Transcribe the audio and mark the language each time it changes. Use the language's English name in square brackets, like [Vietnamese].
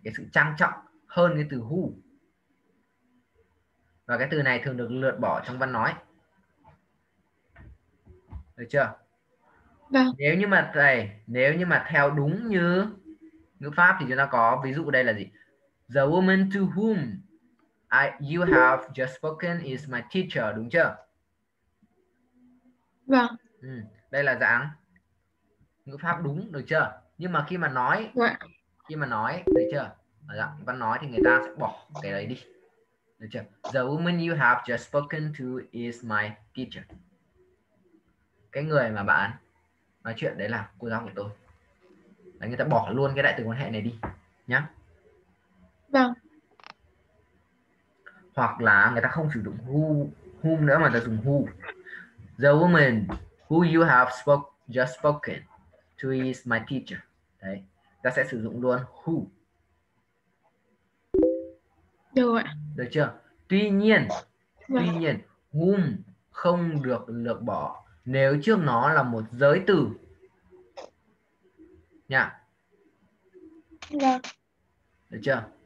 [Vietnamese] Cái sự trang trọng hơn cái từ who. Và cái từ này thường được lược bỏ trong văn nói. Được chưa? Được. Nếu như mà theo đúng như ngữ pháp thì chúng ta có ví dụ đây là gì? [English] The woman to whom you have just spoken is my teacher, [Vietnamese] đúng chưa? Vâng. Ừ, đây là dạng ngữ pháp đúng, được chưa? Nhưng mà khi mà nói, được chưa? Dạng văn nói thì người ta sẽ bỏ cái đấy đi. Được chưa? [English] The woman you have just spoken to is my teacher. [Vietnamese] Cái người mà bạn nói chuyện đấy là cô giáo của tôi. Đấy, người ta bỏ luôn cái đại từ quan hệ này đi nhá. Vâng. Hoặc là người ta không sử dụng whom nữa mà ta dùng who. [English] The woman who you have just spoken to is my teacher. [Vietnamese] Đấy, ta sẽ sử dụng luôn who. Được ạ. Được chưa? Tuy nhiên, whom không được lược bỏ nếu trước nó là một giới từ. Nha. Được chưa?